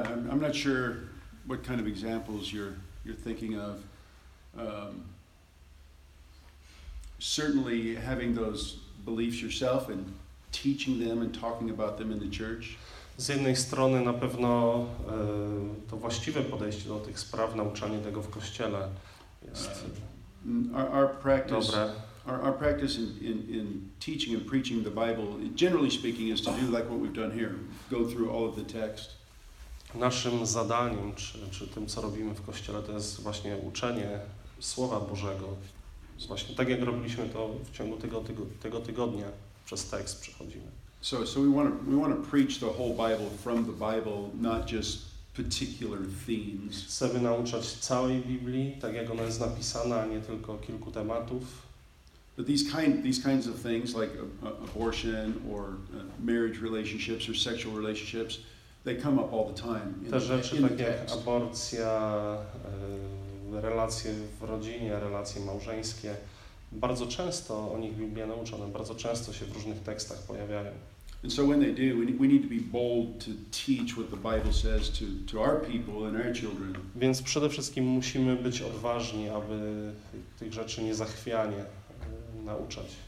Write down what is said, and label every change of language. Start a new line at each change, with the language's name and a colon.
English: I'm not sure what kind of examples you're thinking of. Certainly having those beliefs yourself and teaching them and talking about them in the church.
Polish: Z jednej strony na pewno to właściwe podejście do tych spraw, nauczanie tego w kościele jest dobre.
English: Our practice in teaching and preaching the Bible, generally speaking, is to do like what we've done here, go through all of the text.
Polish: Naszym zadaniem, czy tym, co robimy w kościele, to jest właśnie uczenie Słowa Bożego. Właśnie tak, jak robiliśmy to w ciągu tego tygodnia, przez tekst przechodzimy.
English: So we want to preach the whole Bible from the Bible, not just particular themes.
Polish: Chcemy nauczać całej Biblii, tak jak ona jest napisana, a nie tylko kilku tematów.
English: But these kinds of things like abortion or marriage relationships or sexual relationships, they come up all the time.
Polish: Te rzeczy takie jak aborcja, relacje w rodzinie, relacje małżeńskie. Bardzo często o nich Biblia nauczona, bardzo często się w różnych tekstach pojawiają.
English: And so when they do, we need to be bold to teach what the Bible says to our people and our children.
Polish: Więc przede wszystkim musimy być odważni, aby tych rzeczy niezachwianie nauczać.